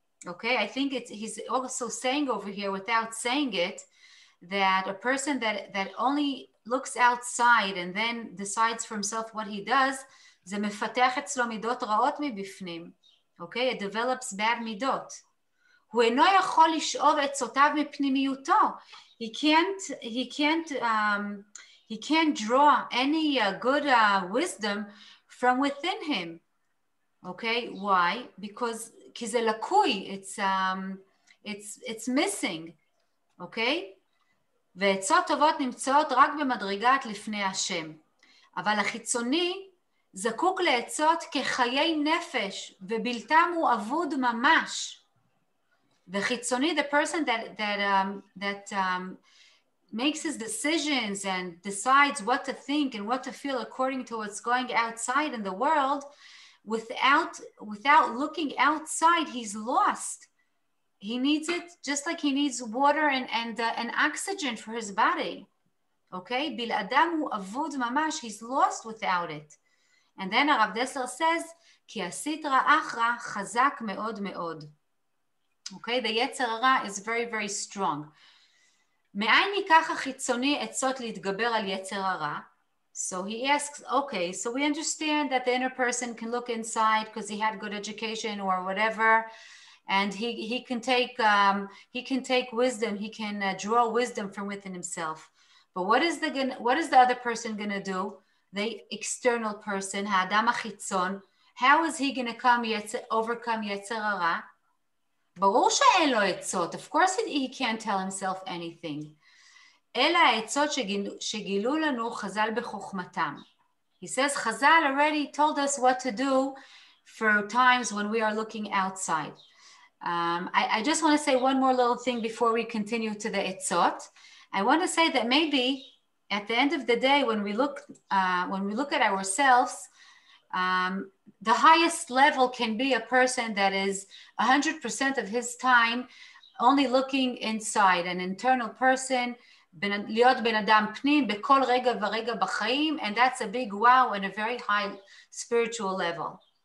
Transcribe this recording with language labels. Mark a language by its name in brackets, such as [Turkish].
[English] Okay, I think he's also saying over here without saying it that a person that only looks outside and then decides for himself what he does, [Hebrew] זה מפתח אצלו מידות רעות מבפנים. [English] Okay, it develops bad מידות. [Hebrew] הוא אינו יכול לשאוב את עצותיו מפנימיותו. [English] He can't draw any good wisdom from within him. Okay, why? Because [Hebrew] זה לקוי, [English] it's missing. Okay? [Hebrew] ועצות טובות נמצאות רק במדרגת לפני השם. אבל החיצוני זקוק לעצות כחיי נפש ובלתם הוא אבוד ממש. [English] וחיצוני, the person that makes his decisions and decides what to think and what to feel according to what's going outside in the world, without looking outside, he's lost. He needs it just like he needs water and oxygen for his body. Okay? [Hebrew] Bil adam hu avud mamash, [English] he's lost without it. And then Rav Dessler says, [Hebrew] ki asitra achra chazak meod meod. [English] Okay, the יצר הרע is very very strong. [Hebrew] מאין ניקח החיצוני עצות להתגבר על יצר הרע? [English] So he asks, okay, so we understand that the inner person can look inside because he had good education or whatever, and he can take wisdom, he can draw wisdom from within himself. But what is the other person going to do? The external person, [Hebrew] האדם החיצון, [English] how is he going to overcome יצר הרע? [Hebrew] ברור שאין לו עצות. [English] Of course he can't tell himself anything. [Hebrew] אלה העצות שגילו לנו חזל בחוכמתם. [English] He says, חזל already told us what to do for times when we are looking outside. I just want to say one more little thing before we continue to the עצות. I want to say that maybe at the end of the day, when we look at ourselves, the highest level can be a person that is 100% of his time only looking inside, an internal person, [Hebrew] להיות בן אדם פנים בכל רגע ורגע בחיים, [English] and that's a big wow and a very high spiritual level.